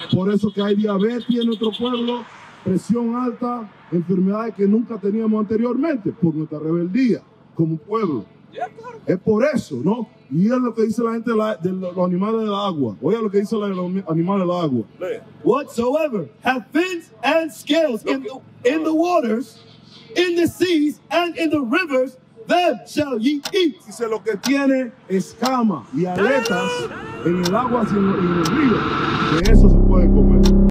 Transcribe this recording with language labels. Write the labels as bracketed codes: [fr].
[es] Por eso que hay diabetes en nuestro pueblo. Presión alta, enfermedades que nunca teníamos anteriormente por nuestra rebeldía como pueblo. [en] Yeah, [es] claro. Es por eso, ¿no? Y es lo que dice la gente de los animales del agua. Oye lo que dice la, los animales del agua. [en] Whatsoever have fins and scales in the waters, in the seas and in the rivers, them shall ye eat. [es] Dice lo que tiene escama y aletas en el agua y en el río, de eso se puede comer.